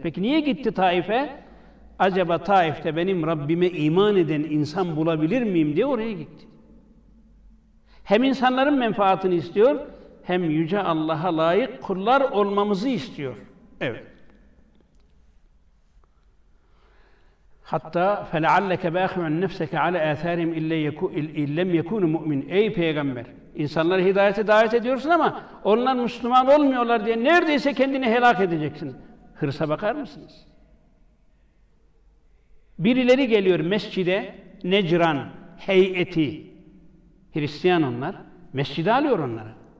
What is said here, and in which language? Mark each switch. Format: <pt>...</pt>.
<tr>Peki niye gitti Taif'e? Acaba Taif'te benim Rabbime iman eden insan bulabilir miyim diye oraya gitti. Hem insanların menfaatini istiyor, hem Yüce Allah'a layık kullar olmamızı istiyor. Evet.</tr> <ar>Hatta فَلَعَلَّكَ بَاخِعُنْ نَفْسَكَ عَلَى اَثَارِهِمْ اِلَّمْ يَكُونُ مُؤْمِنِ.</ar> <tr>Ey Peygamber! İnsanları hidayete davet ediyorsun ama onlar Müslüman olmuyorlar diye neredeyse kendini helak edeceksin. Hırsa bakar mısınız? Birileri geliyor mescide, Necran heyeti, Hristiyan onlar, mescide alıyor onları.</tr>